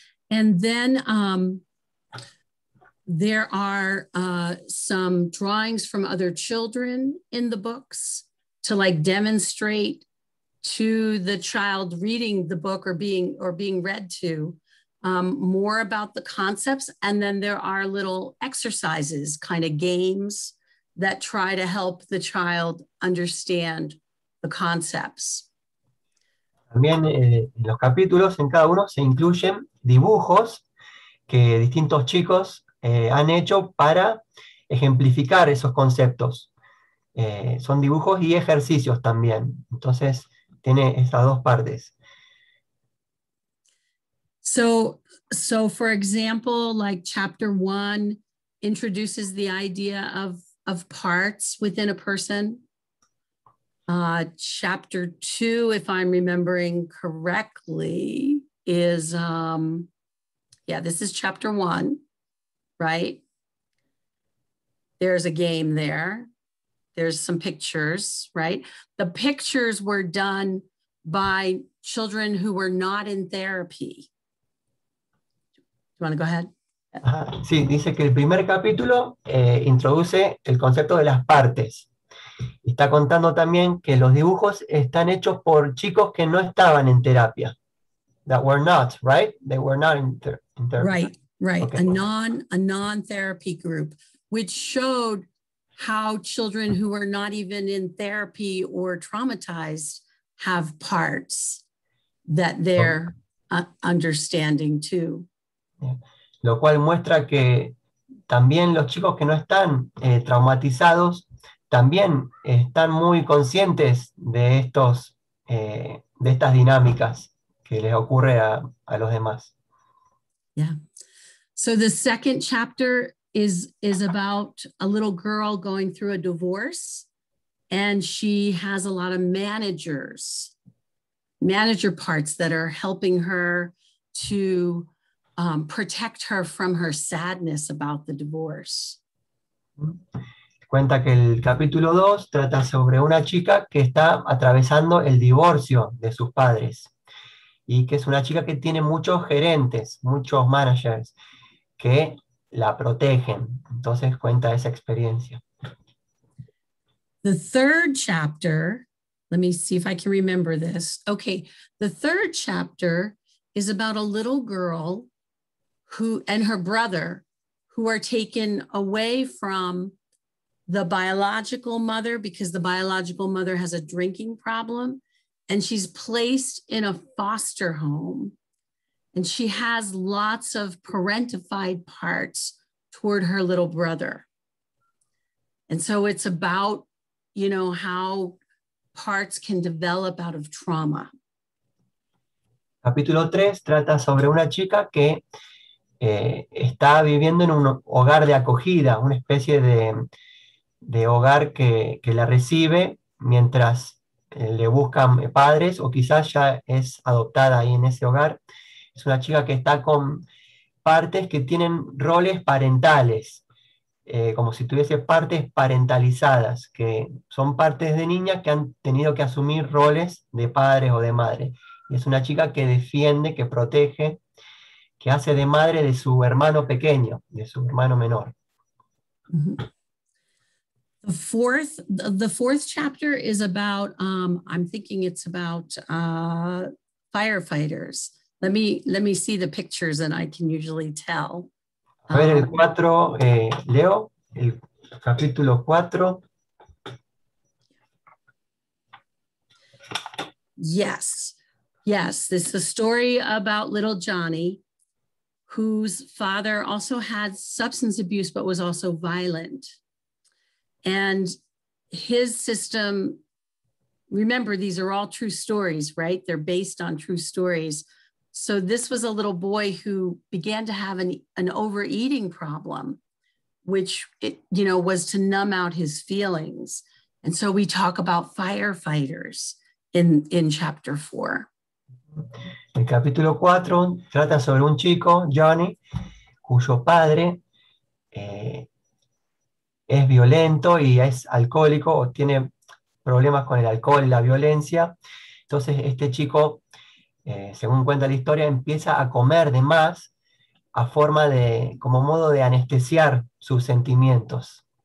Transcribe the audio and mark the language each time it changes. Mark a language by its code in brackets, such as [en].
[en] And then there are some drawings from other children in the books to like demonstrate to the child reading the book or being read to more about the concepts. And then there are little exercises, kind of games that try to help the child understand the concepts. [es] También en los capítulos, en cada uno, se incluyen dibujos que distintos chicos han hecho para ejemplificar esos conceptos. Son dibujos y ejercicios también. Entonces, tiene estas dos partes. [en] So for example, like chapter one introduces the idea of parts within a person. Chapter two, if I'm remembering correctly, is, this is chapter one, right? There's a game there. There's some pictures, right? The pictures were done by children who were not in therapy. Do you want to go ahead? [es] Sí, dice que el primer capítulo introduce el concepto de las partes. Está contando también que los dibujos están hechos por chicos que no estaban en terapia. [en] That were not, right? They were not in therapy. Right, right. Okay. A non-therapy group, which showed how children who are not even in therapy or traumatized have parts that they're understanding too. Yeah. [es] Lo cual muestra que también los chicos que no están traumatizados también están muy conscientes de estos de estas dinámicas que les ocurre a los demás. [en] Yeah. So the second chapter is about a little girl going through a divorce, and she has a lot of manager parts that are helping her to protect her from her sadness about the divorce. [es] Cuenta que el capítulo 2 trata sobre una chica que está atravesando el divorcio de sus padres y que es una chica que tiene muchos gerentes, muchos [en] managers [es] que la protegen. Entonces cuenta esa experiencia. [en] The third chapter, let me see if I can remember this. Okay, the third chapter is about a little girl who and her brother who are taken away from the biological mother because the biological mother has a drinking problem and she's placed in a foster home and she has lots of parentified parts toward her little brother. And so it's about, you know, how parts can develop out of trauma. [es] Capítulo 3 trata sobre una chica que está viviendo en un hogar de acogida, una especie de hogar que la recibe mientras le buscan padres o quizás ya es adoptada ahí en ese hogar. Es una chica que está con partes que tienen roles parentales, como si tuviese partes parentalizadas, que son partes de niñas que han tenido que asumir roles de padres o de madre. Y es una chica que defiende, que protege, que hace de madre de su hermano pequeño, de su hermano menor. Mm-hmm. [en] The fourth chapter is about, I'm thinking it's about firefighters. Let me see the pictures and I can usually tell. [es] A ver, el cuatro, Leo, el capítulo cuatro. [en] Yes, this is a story about little Johnny, whose father also had substance abuse, but was also violent. And his system, remember, these are all true stories, right? They're based on true stories. So this was a little boy who began to have an overeating problem, which was to numb out his feelings. And so we talk about firefighters in chapter four. [es] El capítulo 4 trata sobre un chico, Johnny, cuyo padre es violento y es alcohólico o tiene problemas con el alcohol y la violencia. Entonces este chico, según cuenta la historia, empieza a comer de más a forma de, como modo de anestesiar sus sentimientos.